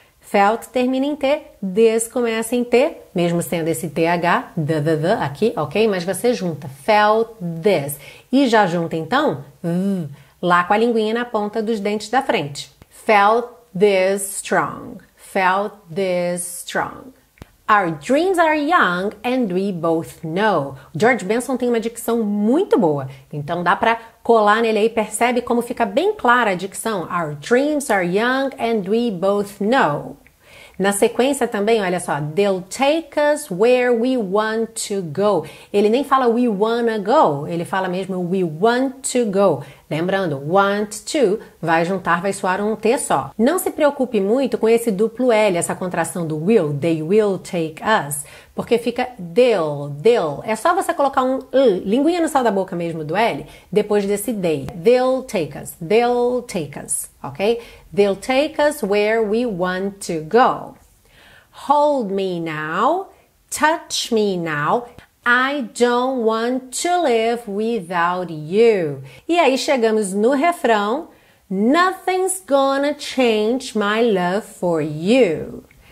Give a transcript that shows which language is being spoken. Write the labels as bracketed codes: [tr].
[pt] Felt termina em T, this começa em T, mesmo sendo esse TH, the, aqui, ok? Mas você junta, [en] felt this. [pt] E já junta então, lá com a linguinha na ponta dos dentes da frente. [en] Felt this strong, felt this strong. Our dreams are young and we both know. [pt] George Benson tem uma dicção muito boa, então dá pra colar nele aí, percebe como fica bem clara a dicção. [en] Our dreams are young and we both know. [pt] Na sequência também, olha só, [en] they'll take us where we want to go. [pt] Ele nem fala [en] we wanna go, [pt] ele fala mesmo [en] we want to go. [pt] Lembrando, want to vai juntar, vai soar um T só. Não se preocupe muito com esse duplo L, essa contração do will, [en] they will take us, [pt] porque fica [en] they'll, they'll. [pt] É só você colocar um linguinha no sal da boca mesmo do L, depois desse they. [en] They'll take us, ok? They'll take us where we want to go. Hold me now, touch me now. I don't want to live without you. [pt] E aí chegamos no refrão. [en] Nothing's gonna change my love for you.